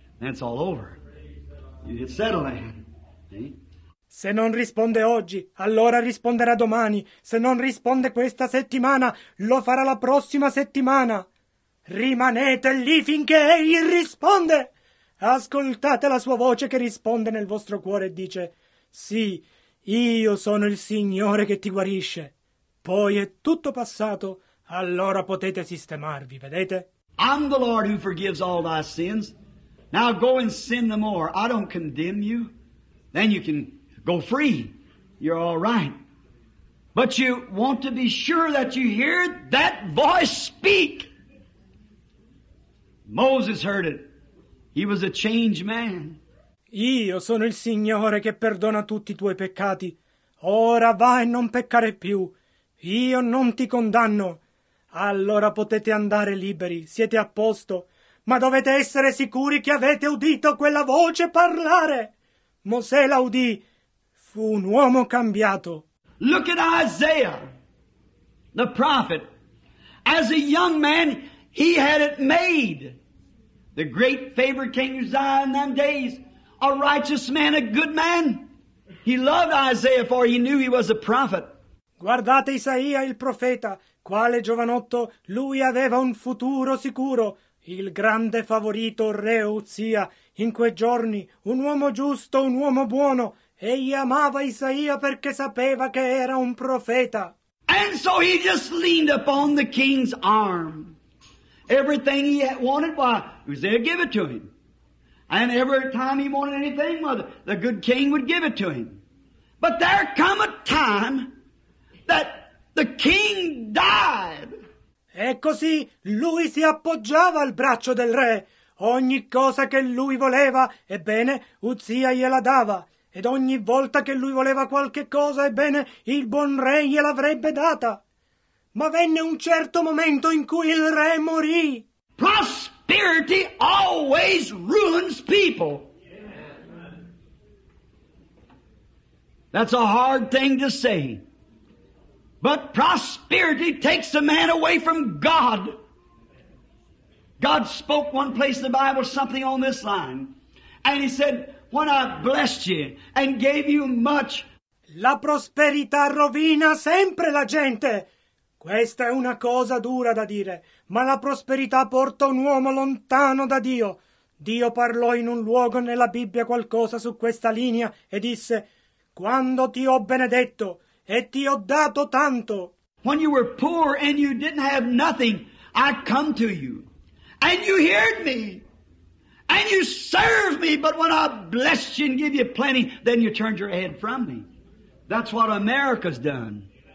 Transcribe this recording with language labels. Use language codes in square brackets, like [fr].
[en] That's all over. You get settled in. [it] Se non risponde oggi, allora risponderà domani. Se non risponde questa settimana, lo farà la prossima settimana. Rimanete lì finché egli risponde. Ascoltate la sua voce che risponde nel vostro cuore e dice, sì, io sono il Signore che ti guarisce. Poi è tutto passato, allora potete sistemarvi, vedete? [en] I'm the Lord who forgives all thy sins. Now go and sin no more. I don't condemn you. Then you can go free. You're all right. But you want to be sure that you hear that voice speak. Moses heard it. He was a changed man. [it] Io sono il Signore che perdona tutti i tuoi peccati. Ora va e non peccare più. Io non ti condanno. Allora potete andare liberi, siete a posto, ma dovete essere sicuri che avete udito quella voce parlare. Mosè la udì, fu un uomo cambiato. [en] Look at Isaiah, the prophet. As a young man, he had it made. The great favorite king Uzziah in them days, a righteous man, a good man. He loved Isaiah, for he knew he was a prophet. [it] Guardate Isaia il profeta, quale giovanotto, lui aveva un futuro sicuro, il grande favorito re Uzzia, in quei giorni, un uomo giusto, un uomo buono, egli amava Isaia perché sapeva che era un profeta. [en] And so he just leaned upon the king's arm. Everything he wanted, why, Uzziah gave it to him. And every time he wanted anything, well, the good king would give it to him. But there come a time that the king died. [it] E così lui si appoggiava al braccio del re. Ogni cosa che lui voleva, ebbene, Uzia gliela dava. Ed ogni volta che lui voleva qualche cosa, ebbene, il buon re gliel'avrebbe data. Ma venne un certo momento in cui il re morì. [en] Prosperity always ruins people. That's a hard thing to say. But prosperity takes a man away from God. God spoke one place in the Bible something on this line. And he said, when I blessed you and gave you much. [it] La prosperità rovina sempre la gente. Questa è una cosa dura da dire, ma la prosperità porta un uomo lontano da Dio. Dio parlò in un luogo nella Bibbia qualcosa su questa linea e disse, quando ti ho benedetto e ti ho dato tanto. [en] When you were poor and you didn't have nothing, I come to you. And you heard me. And you served me, but when I blessed you and give you plenty, then you turned your head from me. That's what America's done.